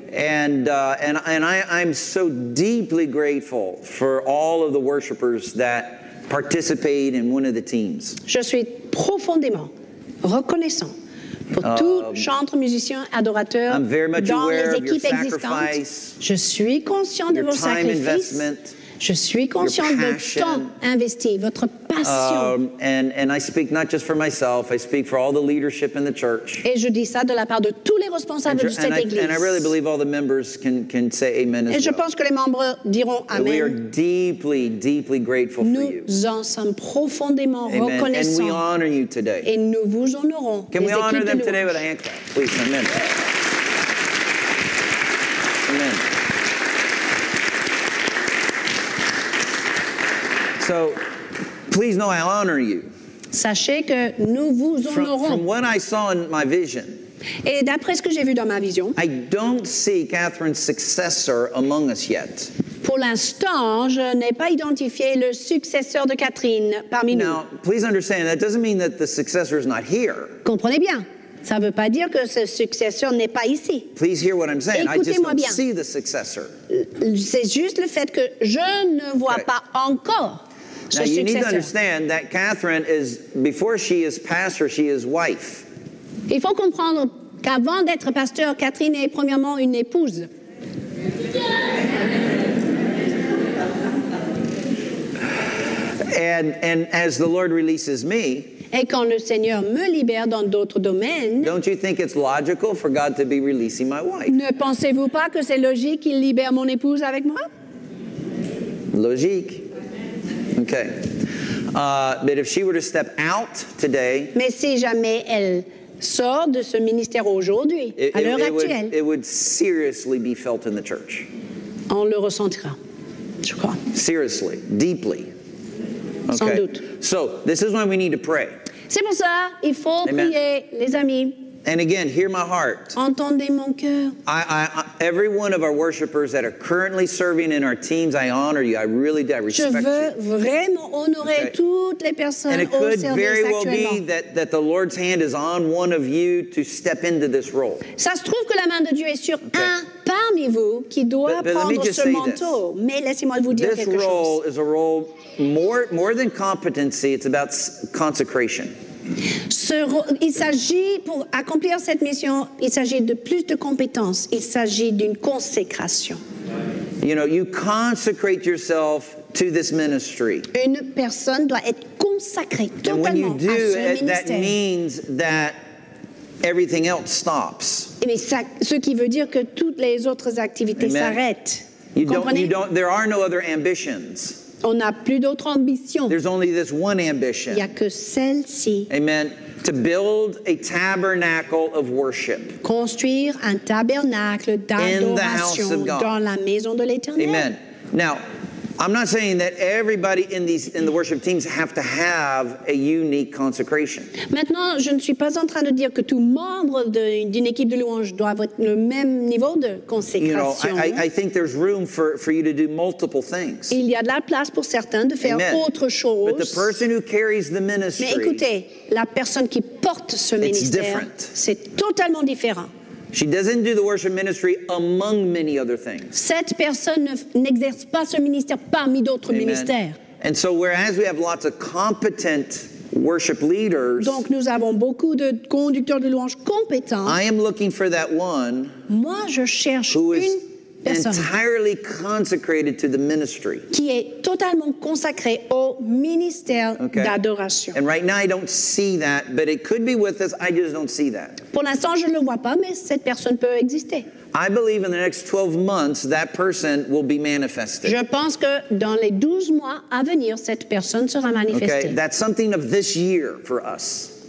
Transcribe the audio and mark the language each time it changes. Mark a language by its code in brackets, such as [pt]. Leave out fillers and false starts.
[en] And I'm so deeply grateful for all of the worshipers that participate in one of the teams. [fr] Je suis profondément reconnaissant pour tout chantre, musicien, adorateur dans les équipes existantes. Je suis conscient de vos sacrifices. Je suis consciente de temps investi, votre passion. Et je dis ça de la part de tous les responsables de cette église. [en] And I really believe all the members can say amen as [fr] Et je pense que les membres diront amen. [en] We are deeply, deeply grateful [fr] Nous [en] for you. [fr] En sommes profondément [en] amen. [fr] Reconnaissants. [en] And we honor you today. [fr] Et nous vous honorons. [en] Can [fr] les [en] we honor them [fr] de [en] today with a hand clap, please? Amen. So, please know I honor you. [fr] Sachez que nous vous honorons. [en] From what I saw in my vision. [fr] Et d'après ce que j'ai vu dans ma vision. [en] I don't see Catherine's successor among us yet. [fr] Pour l'instant, je n'ai pas identifié le successeur de Catherine parmi [en] now, [fr] nous. [en] Now, please understand that doesn't mean that the successor is not here. [fr] Comprenez bien. Ça ne veut pas dire que ce successeur n'est pas ici. [en] Please hear what I'm saying. [fr] Écoutez-moi [en] I just don't [fr] bien. [en] See the successor. [fr] C'est juste le fait que je ne vois okay. pas encore. [en] Now you successor. Need to understand that Catherine is before she is pastor, she is wife. [fr] Il faut comprendre qu'avant d'être pasteur, Catherine est premièrement une épouse. [en] And as the Lord releases me, [fr] et quand le Seigneur me libère dans d'autres domaines, [en] don't you think it's logical for God to be releasing my wife? [fr] Ne pensez-vous pas que c'est logique qu'il libère mon épouse avec moi? Logique. Okay. [en] But if she were to step out today, [fr] mais si jamais elle sort de ce ministère aujourd'hui, à l'heure actuelle, [en] it would seriously be felt in the church. [fr] On le ressentira, je crois. [en] Seriously, deeply. [fr] Okay. Sans doute. [en] So, this is when we need to pray. [fr] C'est pour ça, il faut [en] Amen. [fr] Prier, les amis. [en] And again, hear my heart. [fr] Entendez mon cœur. [en] I, every one of our worshipers that are currently serving in our teams, I honor you. I really do. I respect you. [fr] Je veux [en] you. [fr] Vraiment honorer okay. toutes les personnes [en] And it could [fr] au service [en] very well [fr] actuellement. [en] Be that the Lord's hand is on one of you to step into this role. [fr] Ça se trouve que la main de Dieu est sur okay. un parmi vous qui doit [en] but [fr] prendre ce manteau. [en] This. [fr] Mais laissez-moi vous dire [en] this [fr] quelque chose. [en] This role is a role more than competency. It's about consecration. [fr] Il s'agit, pour accomplir cette mission, il s'agit de plus de compétences. Il s'agit d'une consécration. [en] You know, you consecrate yourself to this ministry. [fr] Une personne doit être consacrée totalement [en] And when you do, [fr] à ce ministère. [en] That means that everything else stops. [fr] Et mais ça, ce qui veut dire que toutes les autres activités [en] Amen. [fr] S'arrêtent. [en] You [fr] Comprenez? [en] Don't, you don't, there are no other ambitions. [fr] On n'a plus d'autre ambition. [en] There's only this one ambition. [fr] Il n'y a que celle-ci. [en] Amen. To build a tabernacle of worship. [fr] Construire un tabernacle d'adoration dans la maison de l'Éternel. [en] Amen. Now, I'm not saying that everybody in the worship teams have to have a unique consecration. [fr] Maintenant, je ne suis pas en train de dire que tout membre d'une équipe de louange doit avoir le même niveau de consécration. [en] You know, I think there's room for you to do multiple things. [fr] Il y a de la place pour certains de faire [en] Amen. [fr] Autre chose. [en] But the person who carries the ministry, [fr] Mais écoutez, la personne qui porte ce [en] it's [fr] ministère, [en] different. [fr] C'est totalement différent. [en] She doesn't do the worship ministry among many other things. [fr] Cette personne n'exerce pas ce ministère parmi d'autres [en] Amen. [fr] Ministères. [en] And so whereas we have lots of competent worship leaders, [fr] Donc nous avons beaucoup de conducteurs de louanges compétents, [en] I am looking for that one [fr] Moi, je cherche [en] who is [fr] une [en] entirely consecrated to the ministry. [fr] Qui est totalement consacré au ministère [en] okay. [fr] d'adoration. [en] And right now I don't see that, but it could be with us, I just don't see that. [fr] Pour l'instant, je ne le vois pas, mais cette personne peut exister. [en] I believe in the next 12 months that person will be manifested. [fr] Je pense que dans les 12 mois à venir, cette personne sera manifestée. [en] Okay, that's something of this year for us.